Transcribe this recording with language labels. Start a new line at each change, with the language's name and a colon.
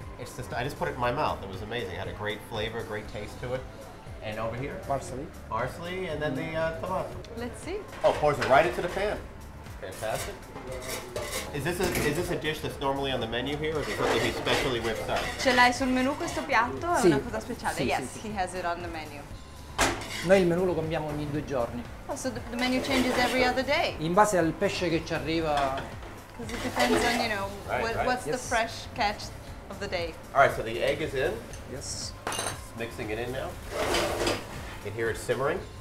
English: It's just, I just put it in my mouth. It was amazing. It had a great flavor, great taste to it. And over here? Parsley, and then the tomato. Let's see. Oh, pours it right into the pan. Fantastic. Is this a dish that's normally on the menu here, or is it something he specially whipped up?
Italian: Ce l'hai sul menu questo piatto? Sì. È una cosa speciale. Sì,
English: yes,
Italian: sì, sì.
English: He has it on the menu.
Italian: Noi il menu lo cambiamo ogni due giorni.
English: Oh, so the menu changes every other day?
Italian: In base al pesce che ci arriva.
English: Because it depends on, you know, what's yes. The fresh catch of the day. All right, so the egg is in. Yes. Just mixing it in now. You can hear it simmering.